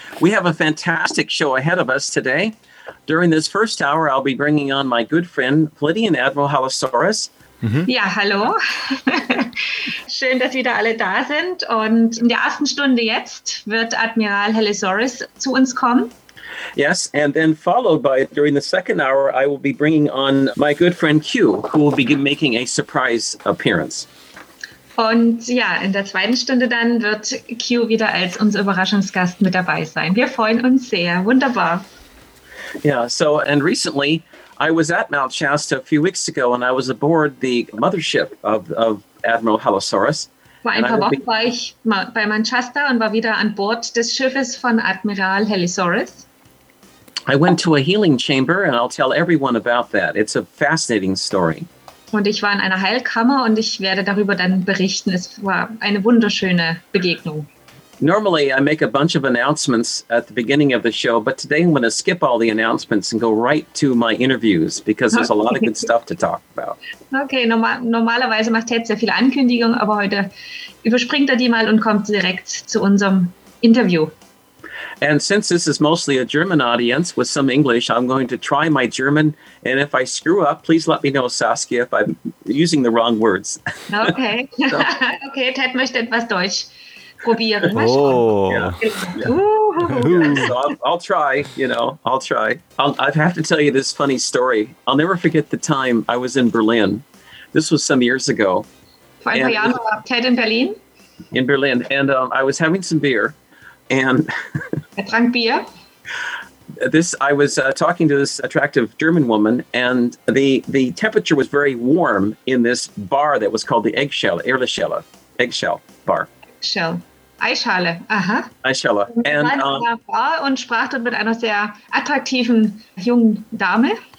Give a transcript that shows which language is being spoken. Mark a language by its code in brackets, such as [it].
[en] We have a fantastic show ahead of us today. During this first hour, I'll be bringing on my good friend, Plitian Admiral Halosaurus. [de] Mm-hmm. Ja, hallo. Schön, dass wieder alle da sind. Und in der ersten Stunde jetzt wird Admiral Halosaurus zu uns kommen. [en] Yes, and then followed by, during the second hour, I will be bringing on my good friend Q, who will be making a surprise appearance. [de] Und ja, in der zweiten Stunde dann wird Q wieder als unser Überraschungsgast mit dabei sein. Wir freuen uns sehr. Wunderbar. [en] Yeah, so, and recently, I was at Mount Shasta a few weeks ago, and I was aboard the mothership of Admiral Halosaurus. [de] Vor ein paar Wochen war ich bei Mount Shasta und war wieder an Bord des Schiffes von Admiral Halosaurus. [en] I went to a healing chamber, and I'll tell everyone about that. It's a fascinating story. [de] Und ich war in einer Heilkammer, und ich werde darüber dann berichten. Es war eine wunderschöne Begegnung. [en] Normally, I make a bunch of announcements at the beginning of the show, but today I'm going to skip all the announcements and go right to my interviews, because there's a lot of good stuff to talk about. [de] Okay, normalerweise macht Ted sehr viele Ankündigungen, aber heute überspringt die mal und kommt direkt zu unserem Interview. [en] And since this is mostly a German audience with some English, I'm going to try my German. And if I screw up, please let me know, Saskia, if I'm using the wrong words. [de] Okay. So. Okay, Ted möchte etwas Deutsch probieren. Oh. [en] Yeah. Yeah. So I'll try. I'll have to tell you this funny story. I'll never forget the time I was in Berlin. This was some years ago. [de] Ted in Berlin? [en] In Berlin. And I was having some beer. And [de] er trank Bier. [en] I was talking to this attractive German woman, and the temperature was very warm in this bar that was called the Eggshell Bar. [de] Eischale. [en] And [de] in einer Bar und sprach dort mit einer sehr attraktiven jungen Dame.